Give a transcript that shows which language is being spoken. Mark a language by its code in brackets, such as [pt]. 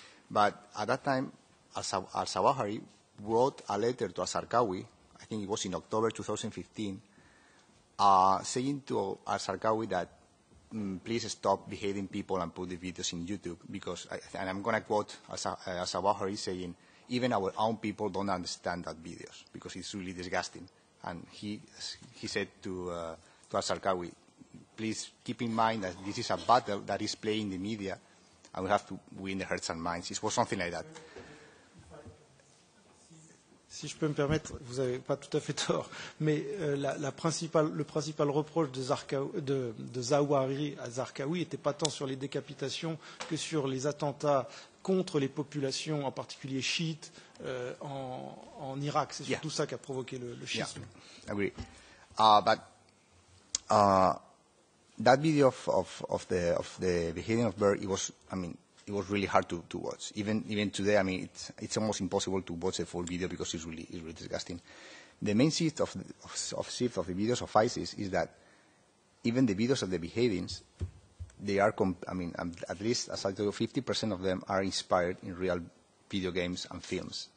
[en] But at that time, al-Zawahiri wrote a letter to al-Sarqawi, I think it was in October 2015, saying to al-Sarqawi that please stop beheading people and put the videos in YouTube, because, and I'm going to quote al-Zawahiri saying, even our own people don't understand that videos, because it's really disgusting. And he said to al-Sarqawi, please keep in mind that this is a battle that is played in the media, and we have to win the hearts and minds. It was something like that. [fr] Si je peux me permettre, vous n'avez pas tout à fait tort, mais le principal reproche de Zawahiri à Zarqawi n'était pas tant sur les décapitations que sur les attentats contre les populations, en particulier chiites, en Irak. C'est surtout ça qui a provoqué le schisme. [en] Yeah, agree. But that video of the beheading of Berg, it was really hard to watch. Even today, I mean, it's almost impossible to watch a full video because it's really disgusting. The main shift of the videos of ISIS is that even the videos of the beheadings, they are, at least, as I told you, 50% of them are inspired in real video games and films.